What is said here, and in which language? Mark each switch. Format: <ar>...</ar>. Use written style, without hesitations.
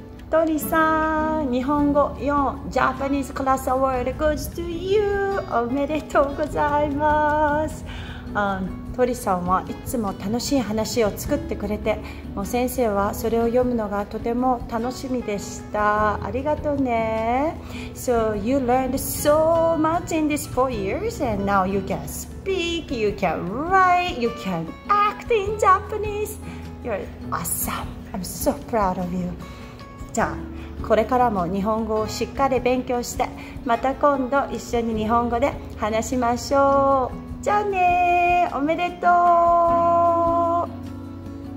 <ja>トリさん、日本語4、ジャパニーズクラスアワード</ja> <en>goes to you。</en> <ja>おめでとうございます。トリさんはいつも楽しい話を作ってくれて、もう先生はそれを読むのがとても楽しみでした。ありがとうね。</ja> <en>So you learned so much in these 4 years and now you can speak, you can write, you can act in Japanese. You're awesome. I'm so proud of you.</en> <ja>じゃあ、これからも日本語をしっかり勉強して、また今度一緒に日本語で話しましょう。じゃあねー、おめでとう。</ja>